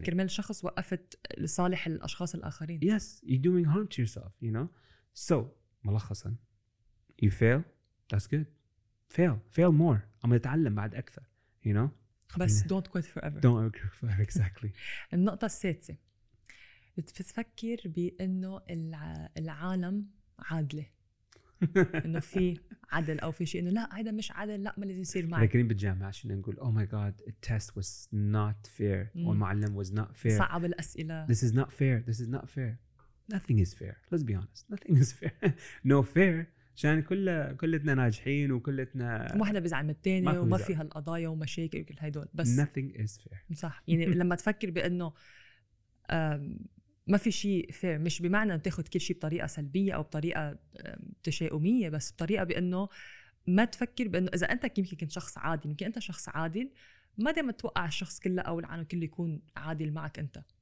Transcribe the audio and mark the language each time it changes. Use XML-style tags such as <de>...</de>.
<ar>كرمال شخص وقفت لصالح الأشخاص الآخرين.</ar> <en>yes you're doing harm to yourself you know. So ملخصا you fail that's good fail more</en> <ar>عم يتعلم بعد أكثر</ar> <en>you know. بس don't quit forever. don't quit forever exactly.</en> <ar>النقطة السادسة بتفكر بأنه العالم عادلة إنه في عدل أو في شيء إنه لا هذا مش عدل لا ما لازم يصير معي. ذكرين بالجامعة عشان نقول</ar> <en>oh my god the test was not fair والمعلم was not fair.</en> <ar>صعب الأسئلة.</ar> <en>This is not fair. Nothing is fair. Let's be honest. Nothing is fair. No fair.</en> <ar>عشان كلتنا ناجحين وكلتنا مو حدا بزعم الثاني وما في هالقضايا ومشاكل وكل هيدول. بس</ar> <en>nothing is fair.</en> <ar>صح. يعني لما تفكر بانه ما في شيء fair، مش بمعنى تاخذ كل شيء بطريقه سلبيه او بطريقه تشاؤميه، بس بطريقه بانه ما تفكر بانه اذا انت يمكن كنت شخص عادي، يمكن انت شخص عادل، ما دائما توقع الشخص كله او العالم كله يكون عادل معك انت.</ar>